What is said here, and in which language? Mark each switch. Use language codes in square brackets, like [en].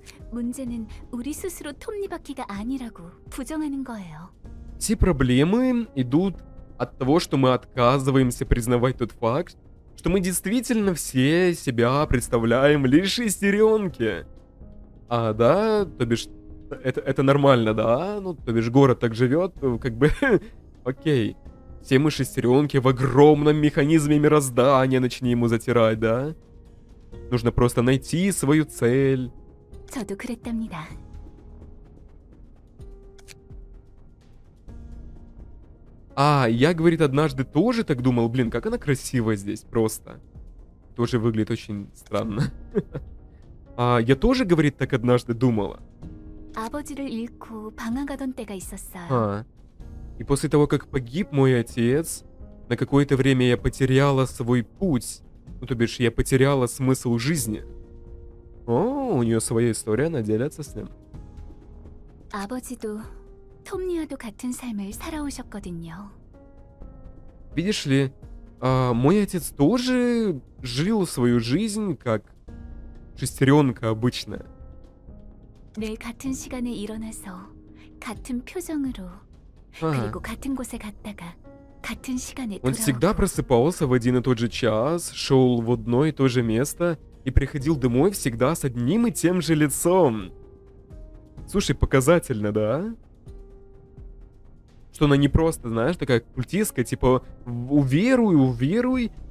[ko] 문제는 우리 스스로 톱니바퀴가 아니라고 부정하는 거예요. [ru] Все проблемы идут от того, что мы отказываемся признавать тот факт, что мы действительно все себя представляем лишь шестеренки. А, да, то бишь, это нормально, да? Ну, то бишь, город так живет, как бы, окей. Все мы шестеренки в огромном механизме мироздания, начни ему затирать, да? Нужно просто найти свою цель. [ko] 저도 그랬답니다. [ru] А, я, говорит, однажды тоже так думал, блин, как она красивая здесь, просто. Тоже выглядит очень странно. А, я тоже, говорит, так однажды думала. [ko] 아버지를 잃고 방황하던 때가 있었어요. [ru] А, и после того, как погиб мой отец, на какое-то время я потеряла свой путь. Ну, то бишь, я потеряла смысл жизни. О, у нее своя история, она делится с ним. [ko] 아버지도... Томниаду 같은 삶을 살아오셨거든요. [ru] Видишь ли, мой отец тоже жил свою жизнь как шестеренка обычная. [ko] 늘 같은 시간에 일어나서 같은 표정으로 그리고 같은 곳에 갔다가 같은 시간에 돌아. [ru] Он всегда просыпался в один и тот же час, шел в одно и то же место и приходил домой всегда с одним и тем же лицом. Слушай, показательно, да? Что она не просто, знаешь, такая культистка, типа, уверуй, уверуй.